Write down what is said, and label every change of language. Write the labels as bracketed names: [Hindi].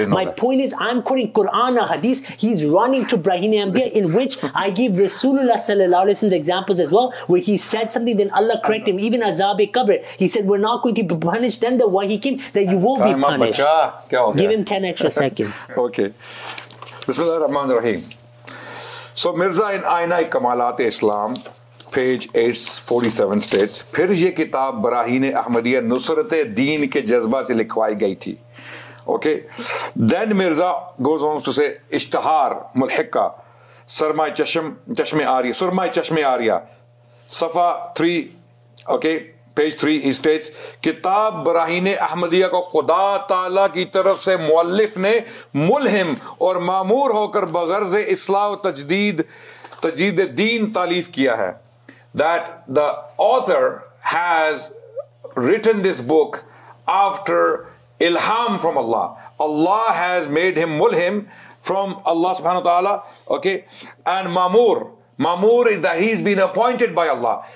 [English] My point is, I'm quoting Quran and Hadith. He's running to Brahini Ambiya, in which I give Rasulullah sallallahu alayhi wa sallam's examples as well, where he said something, then Allah corrected him. Even Azab-e Qabr, he said, we're not going to be punished. Then the wahi came that you will be punished. Give him 10 extra seconds. Okay. Bismillah ar-Rahman ar-Rahim. So Mirza in Aina Kamalat Islam, page 847 states, [Urdu] پھر یہ کتاب براہین احمدیہ نصرت دین کے جذبہ سے لکھوائی گئی تھی. [English] Okay. Then Mirza goes on to say, اشتہار ملحقہ سرمائے چشم آریا سرمائے چشم آریا صفحہ 3. Okay. Page 3, he states, [Urdu] کتاب براہین احمدیہ کو خدا تعالیٰ کی طرف سے مؤلف نے ملہم اور معمور ہو کر بغرض اصلاح و تجدید دین تالیف کیا ہے. [English] That the author has written this book after ilham from Allah. Allah has made him mulhim from Allah subhanahu wa ta'ala. Okay. And mamur. Mamur is that he's been appointed by Allah.